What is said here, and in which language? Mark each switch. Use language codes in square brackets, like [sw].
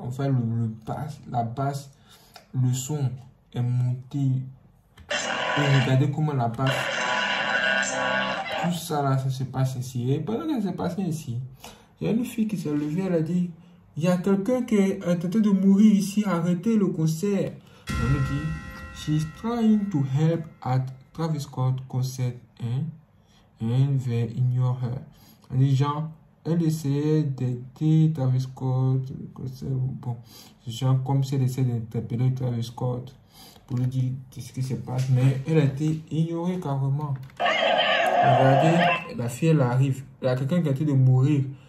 [fr] Enfin, la basse, le son est monté. Et regardez comment la basse. Tout ça là, ça se passe ici. Et pendant que ça se passe ici, il y a une fille qui s'est levée, elle a dit, il y a quelqu'un qui est en train de mourir ici, arrêtez le concert. On lui dit, [en] she's trying to help at Travis Scott concert, [fr] hein? [en] And they ignore her. [fr] Les gens, elle essaie d'aider Travis Scott, bon, les gens comme si elle essaie d'interpeller Travis Scott pour lui dire ce qui se passe, mais elle a été ignorée carrément. Regardez, la fille elle arrive, il y a quelqu'un qui est en train de mourir.